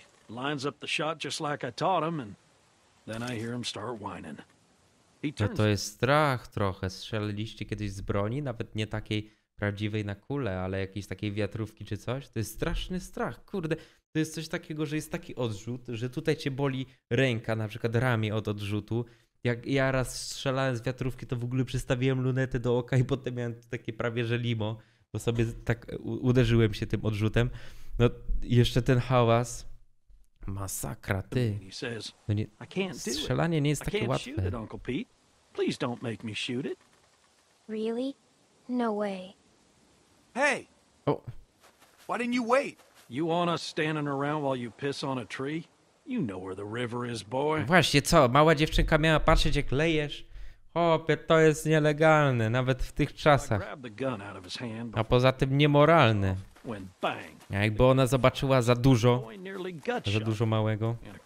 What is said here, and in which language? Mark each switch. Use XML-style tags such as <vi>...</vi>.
<en>Lines up the shot just like I taught him, and then I hear him start whining. He turns.</en> <pl>No to jest strach trochę. Strzeliliście kiedyś z broni, nawet nie takiej prawdziwej na kulę, ale jakiejś takiej wiatrówki czy coś? To jest straszny strach. Kurde, to jest coś takiego, że jest taki odrzut, że tutaj cię boli ręka, na przykład ramię od odrzutu. Jak ja raz strzelałem z wiatrówki, to w ogóle przystawiłem lunetę do oka i potem miałem takie prawie że limo, bo sobie tak uderzyłem się tym odrzutem. No jeszcze ten hałas. Masakra, ty. No nie, strzelanie nie jest takie łatwe.</pl> <en>Please don't make me shoot it. Really? No way. Hey. Oh. Why didn't you wait? You want us standing around while you piss on a tree? You know where the river is, boy.</en> <pl>Właśnie co, mała dziewczynka miała patrzeć jak lejesz. Chłopie, to jest nielegalne, nawet w tych czasach. A poza tym niemoralne. A jakby ona zobaczyła za dużo małego.</pl>